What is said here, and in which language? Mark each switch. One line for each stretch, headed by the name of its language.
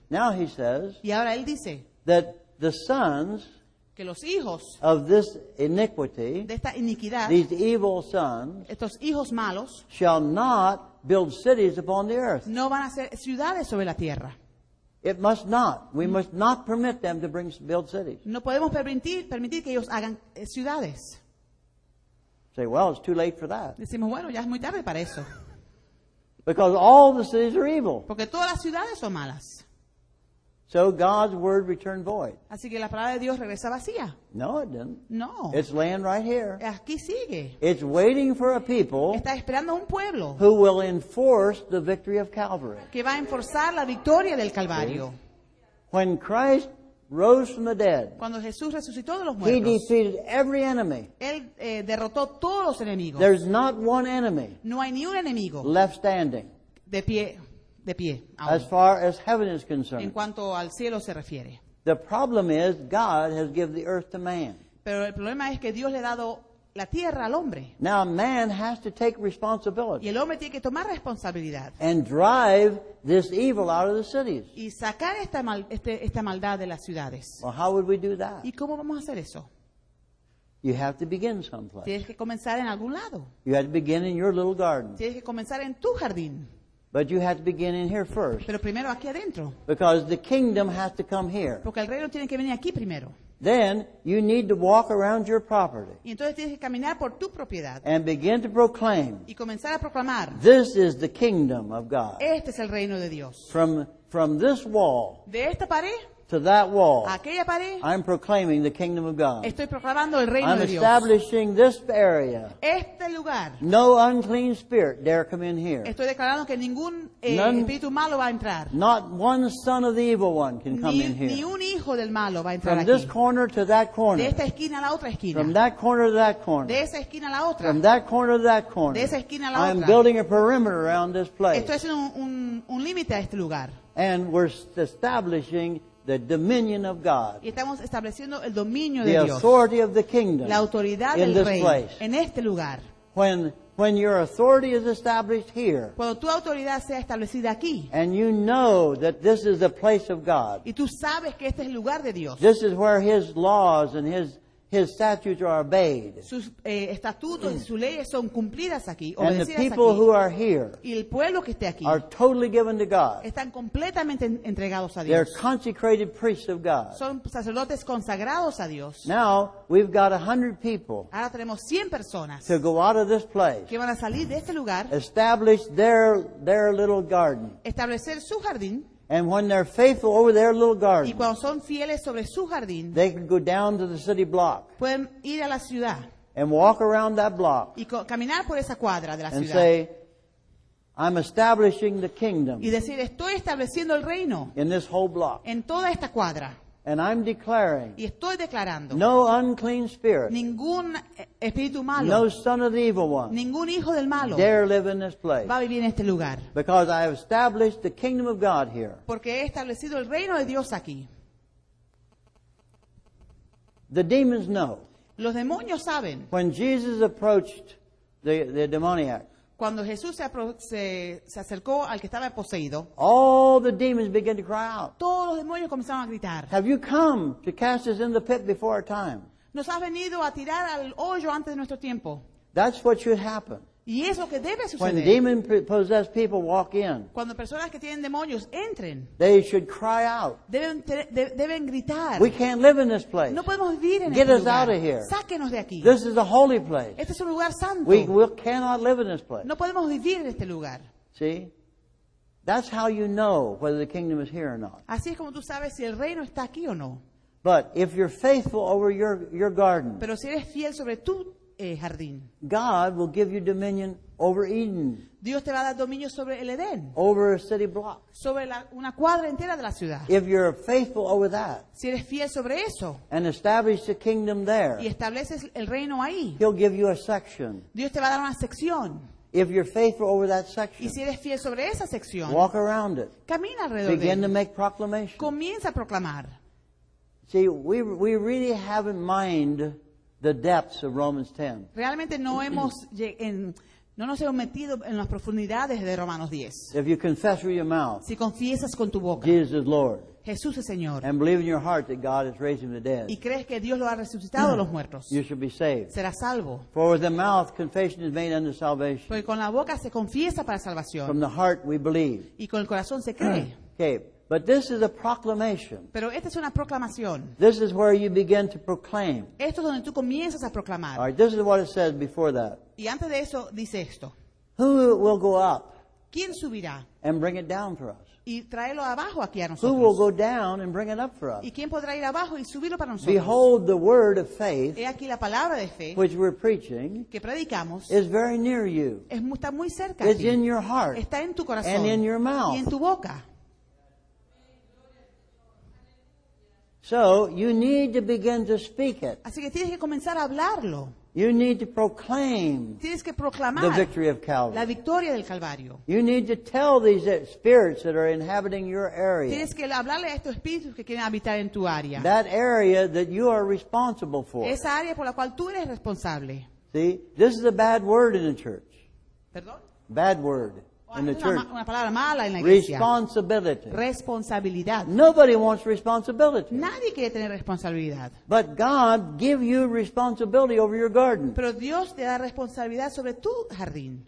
English: Now he says,
Spanish: y ahora él dice,
English: that the sons,
Spanish: que los hijos,
English: of this iniquity,
Spanish: de esta iniquidad,
English: these evil sons,
Spanish: estos hijos malos,
English: shall not build cities upon the earth,
Spanish: no van a hacer ciudades sobre la tierra.
English: It must not. We must not permit them to build cities.
Spanish: No podemos permitir que ellos hagan ciudades.
English: Say, well, it's too late for that.
Spanish: Decimos, bueno, ya es muy tarde para eso.
English: Because all the cities are evil.
Spanish: Porque todas las ciudades son malas.
English: So God's word returned void.
Spanish: Así que la palabra de Dios regresa vacía.
English: No, it didn't.
Spanish: No.
English: It's laying right here.
Spanish: Aquí sigue.
English: It's waiting for a people.
Spanish: Está esperando un pueblo.
English: Who will enforce the victory of Calvary.
Spanish: Que va a enforzar la victoria del Calvario.
English: When Christ rose from the dead.
Spanish: Cuando Jesús resucitó de los muertos.
English: He defeated every enemy.
Spanish: Él derrotó todos los enemigos.
English: There's not one enemy.
Spanish: No hay ni un enemigo.
English: Left standing.
Spanish: De pie. De pie,
English: as far as heaven is concerned.
Spanish: En cuanto al cielo se refiere.
English: The problem is God has given the earth to man.
Spanish: Pero el problema es que Dios le ha dado la tierra al hombre.
English: Now man has to take responsibility.
Spanish: Y el hombre tiene que tomar responsabilidad.
English: And drive this evil out of the cities.
Spanish: Y sacar esta maldad de las ciudades.
English: Well, how would we do that?
Spanish: ¿Y cómo vamos a hacer eso?
English: You have to begin someplace.
Spanish: Tienes que comenzar en algún lado.
English: You have to begin in your little garden.
Spanish: Tienes que comenzar en tu jardín.
English: But you have to begin in here first.
Spanish: Pero primero aquí adentro.
English: Because the kingdom has to come here.
Spanish: Porque el reino tiene que venir aquí primero.
English: Then you need to walk around your property.
Spanish: Y entonces tienes que caminar por tu propiedad.
English: And begin to proclaim.
Spanish: Y comenzar a proclamar.
English: This is the kingdom of God.
Spanish: Este es el reino de Dios.
English: From this wall.
Spanish: De esta pared.
English: To that wall.
Spanish: A aquella pared.
English: I'm proclaiming the kingdom of God.
Spanish: Estoy proclamando el reino
English: I'm
Spanish: de Dios.
English: I'm establishing this area.
Spanish: Este lugar.
English: No unclean spirit dare come in here.
Spanish: Estoy declarando que ningún espíritu malo va a entrar.
English: Not one son of the evil one can come
Spanish: ni,
English: in here.
Spanish: Ni un hijo del malo va a entrar
English: from
Spanish: aquí.
English: This corner to that corner.
Spanish: De esta esquina a la otra esquina.
English: From that corner to that corner.
Spanish: De esa esquina a la otra.
English: From that corner to that corner.
Spanish: De esa esquina a la
English: I'm
Spanish: otra.
English: I'm building a perimeter around this place.
Spanish: Estoy haciendo un límite a este lugar.
English: And we're establishing the dominion of God.
Spanish: Y estamos estableciendo el dominio
English: the
Spanish: de Dios.
English: Authority of the kingdom.
Spanish: La autoridad
English: in
Spanish: del
English: this
Spanish: rey
English: place.
Spanish: En este lugar.
English: When your authority is established here.
Spanish: Cuando tu autoridad sea establecida aquí.
English: And you know that this is the place of God.
Spanish: Y tú sabes que este es el lugar de Dios.
English: This is where his laws and his His statutes are obeyed.
Spanish: Sus estatutos y sus leyes son cumplidas aquí, obedecidas aquí.
English: And the people
Spanish: aquí,
English: who are here,
Spanish: y el pueblo que esté aquí,
English: are totally given to God.
Spanish: Están completamente entregados a Dios.
English: They're consecrated priests of God.
Spanish: Son sacerdotes consagrados a Dios.
English: Now we've got 100 people.
Spanish: Ahora tenemos 100 personas.
English: To go out of this place.
Spanish: Que van a salir de este lugar.
English: Establish their little garden.
Spanish: Establecer su jardín.
English: And when they're faithful over their little garden,
Spanish: y cuando son fieles sobre su jardín,
English: they can go down to the city block,
Spanish: pueden ir a la ciudad,
English: and walk around that block,
Spanish: y caminar por esa cuadra de la
English: and
Spanish: ciudad,
English: say, I'm establishing the kingdom,
Spanish: y decir, estoy estableciendo el reino,
English: in this whole block,
Spanish: en toda esta cuadra.
English: And I'm declaring,
Spanish: y estoy declarando,
English: no unclean spirit,
Spanish: ningún espíritu malo,
English: no son of the evil one,
Spanish: ningún hijo del malo,
English: dare live in this place,
Spanish: va a vivir en este lugar,
English: because I have established the kingdom of God here,
Spanish: porque he establecido el reino de Dios aquí.
English: The demons know.
Spanish: Los demonios saben.
English: When Jesus approached the demoniac,
Spanish: cuando Jesús se acercó al que estaba poseído,
English: all the demons began to cry out.
Spanish: Todos los demonios comenzaron a gritar.
English: Have you come to cast us in the pit before our time?
Spanish: Nos has venido a tirar al hoyo antes de nuestro tiempo.
English: That's what should happen.
Spanish: Y es lo que debe suceder.
English: When demon-possessed people walk in,
Spanish: cuando personas que tienen demonios entren,
English: they should cry out.
Spanish: Deben gritar.
English: We can't live in this place.
Spanish: No podemos vivir en este lugar.
English: Get us out of here.
Spanish: Sáquenos de aquí.
English: This is a holy place.
Spanish: Este es un lugar santo.
English: We cannot live in this place.
Spanish: No podemos vivir en este lugar.
English: See? That's how you know whether the kingdom is here or not.
Spanish: Así es como tú sabes si el reino está aquí o no.
English: But if you're faithful over your garden,
Spanish: pero si eres fiel sobre tu jardín,
English: God will give you dominion over Eden.
Spanish: Dios te va a dar dominio sobre el Edén.
English: Over a city block.
Spanish: Sobre una cuadra entera de la ciudad.
English: If you're faithful over that,
Spanish: si eres fiel sobre eso,
English: and establish the kingdom there,
Spanish: y estableces el reino ahí,
English: He'll give you a section.
Spanish: Dios te va a dar una sección.
English: If you're faithful over that section,
Spanish: y si eres fiel sobre esa sección,
English: walk around it.
Spanish: Camina alrededor.
English: Begin
Spanish: de
English: to make proclamation.
Spanish: Comienza a proclamar.
English: See, we really haven't mind the depths of Romans 10.
Spanish: Realmente no hemos no nos hemos metido en las profundidades de Romanos 10.
English: If you confess with your mouth,
Spanish: si confiesas con tu boca,
English: Jesus is Lord,
Spanish: Jesús es Señor,
English: and believe in your heart that God has raised him from the dead,
Spanish: y crees que Dios lo ha resucitado de los muertos,
English: you should be saved.
Spanish: Serás salvo.
English: For with the mouth confession is made unto salvation.
Spanish: Porque con la boca se confiesa para salvación.
English: From the heart we believe.
Spanish: Y con el corazón se cree.
English: Okay. But this is a proclamation.
Spanish: Pero esta es una proclamación.
English: This is where you begin to proclaim.
Spanish: Esto es donde tú comienzas a proclamar.
English: All right, this is what it says before that.
Spanish: Y antes de eso, dice esto.
English: Who will go up?
Spanish: ¿Quién subirá?
English: And bring it down for us.
Spanish: Y traerlo abajo aquí a nosotros.
English: Who will go down and bring it up for us?
Spanish: ¿Y quién podrá ir abajo y subirlo para nosotros?
English: Behold, the word of faith,
Spanish: he aquí la palabra de fe,
English: which we're preaching,
Spanish: que predicamos,
English: is very near you.
Spanish: Está muy cerca.
English: It's in your heart.
Spanish: Está en tu corazón.
English: And in your mouth.
Spanish: Y en tu boca.
English: So you need to begin to speak it.
Spanish: Así que tienes que comenzar a hablarlo.
English: You need to proclaim.
Spanish: Tienes que proclamar
English: the victory of Calvary.
Spanish: La victoria del Calvario.
English: You need to tell these spirits that are inhabiting your area.
Spanish: Tienes que hablarle a estos espíritus que quieren habitar en tu área.
English: That area that you are responsible for.
Spanish: Esa área por la cual tú eres responsable.
English: See, this is a bad word in the church.
Spanish: Perdón.
English: Bad word. In the church.
Spanish: Una palabra mala en la iglesia.
English: Responsibility.
Spanish: Responsabilidad.
English: Nobody wants responsibility.
Spanish: Nadie quiere tener responsabilidad.
English: But God give you responsibility over your garden.
Spanish: Pero Dios te da responsabilidad sobre tu jardín.